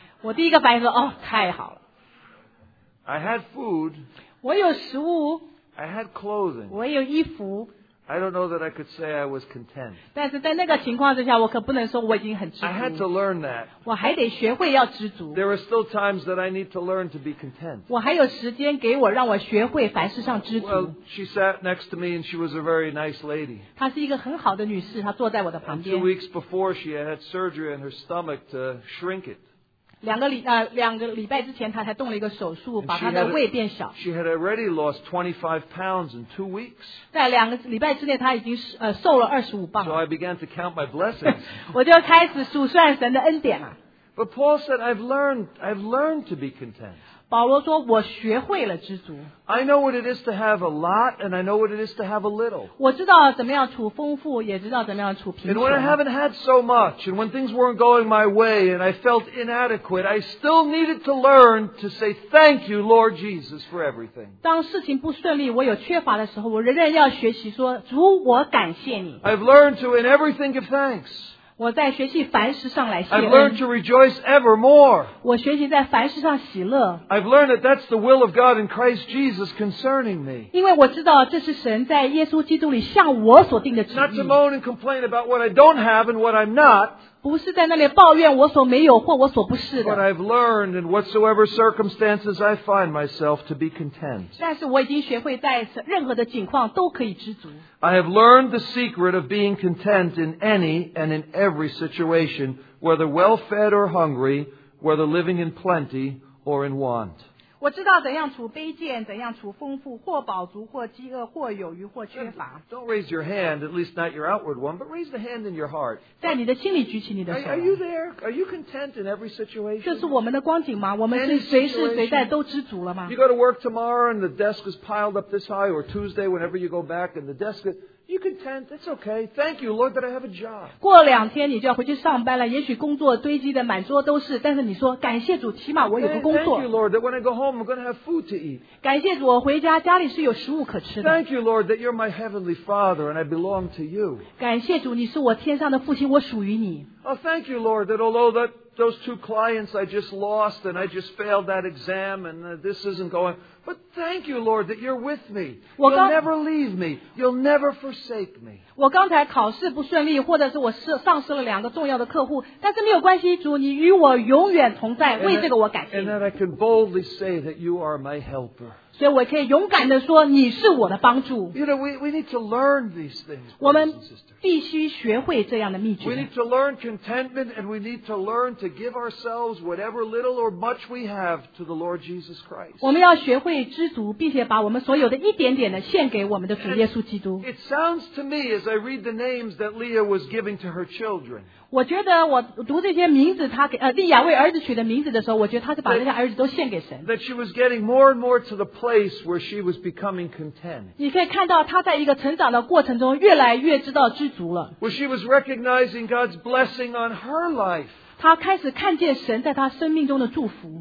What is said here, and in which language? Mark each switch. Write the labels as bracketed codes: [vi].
[zh] 我第一个反应说，哦，太好了。 [en] I had food. [zh] 我有食物。 [en] I had clothing. [zh] 我有衣服。 [en] I don't know that I could say I was content. [zh] 但是在那个情况之下，我可不能说我已经很知足。 [en] I had to learn that. [zh] 我还得学会要知足。 [en] There are still times that I need to learn to be content. [zh] 我还有时间给我让我学会凡事上知足。 [en] Well, she sat next to me and she was a very nice lady. [zh] 她是一个很好的女士，她坐在我的旁边。 [en] And 2 weeks before, she had surgery in her stomach to shrink it. [zh] 两个礼拜之前，她才动了一个手术，把她的胃变小。 [en] She had already lost 25 pounds in 2 weeks. [zh] 在两个礼拜之内，她已经瘦了25磅。 [en] So I began to count my blessings. [zh] 我就开始数算神的恩典了。 [en] But Paul said, I've learned to be content. [zh] 保罗说，我学会了知足。 [en] I know what it is to have a lot, and I know what it is to have a little. [zh] 我知道怎么样处丰富，也知道怎么样处贫穷。 [en] And when I haven't had so much, and when things weren't going my way, and I felt inadequate, I still needed to learn to say thank you, Lord Jesus, for everything. [zh] 当事情不顺利，我有缺乏的时候，我仍然要学习说，主，我感谢你。 [en] I've learned to, in everything, give thanks. [zh] 我在学习凡事上来谢恩。 [en] I've learned to rejoice evermore. [zh] 我学习在凡事上喜乐。 [en] I've learned that that's the will of God in Christ Jesus concerning me. [zh] 因为我知道这是神在耶稣基督里向我所定的旨意。 [en] Not to moan and complain about what I don't have and what I'm not. [zh] 不是在那里抱怨我所没有或我所不是的。 [en] But I've learned in whatsoever circumstances I find myself to be content. [zh] 但是我已经学会在任何的境况都可以知足。 [en] I have learned the secret of being content in any and in every situation, whether well-fed or hungry, whether living in plenty or in want. [zh] 我知道怎样处卑贱，怎样处丰富，或饱足，或饥饿，或有余，或缺乏。 [en] Don't raise your hand, at least not your outward one, but raise the hand in your heart. [zh] 在你的心里举起你的手。 [en] Are you there? Are you content in every situation? [zh] 这是我们的光景吗？我们是随时随地都知足了吗？ [en] You go to work tomorrow and the desk is piled up this high, or Tuesday whenever you go back and the desk is... You content? That's okay. Thank you, Lord, that I have a job. [zh] 过两天你就要回去上班了。也许工作堆积的满桌都是，但是你说感谢主，起码我有个工作。 [en] Thank you, Lord, that when I go home, I'm going to have food to eat. [zh] 感谢主，我回家家里是有食物可吃的。 [en] Thank you, Lord, that you're my heavenly Father and I belong to you. [zh] 感谢主，你是我天上的父亲，我属于你。 [en] Oh, thank you, Lord, that although that those two clients I just lost and I just failed that exam and this isn't going. But thank you, Lord, that you're with me. You'll never leave me. You'll never forsake me. [zh] 我刚才考试不顺利，或者是我丧失了两个重要的客户，但是没有关系，主，你与我永远同在，为这个我感谢。 [en] And that I can boldly say that you are my helper. [zh] 所以我可以勇敢地说，你是我的帮助。 [en] You know, we need to learn these things. [zh] 我们必须学会这样的秘诀。 [en] We need to learn contentment, and we need to learn to give ourselves whatever little or much we have to the Lord Jesus Christ. [zh] 我们要学会知足，并且把我们所有的一点点的献给我们的主耶稣基督。 [en] It sounds to me as I read the names that Leah was giving to her children. [zh] 我觉得我读这些名字，她给利亚为儿子取的名字的时候，我觉得她是把这些儿子都献给神。 [en] That she was getting more and more to the place where she was becoming content. [zh] 你可以看到她在一个成长的过程中，越来越知道知足了。 [en] Well, she was recognizing God's blessing on her life. [zh] 他开始看见神在他生命中的祝福。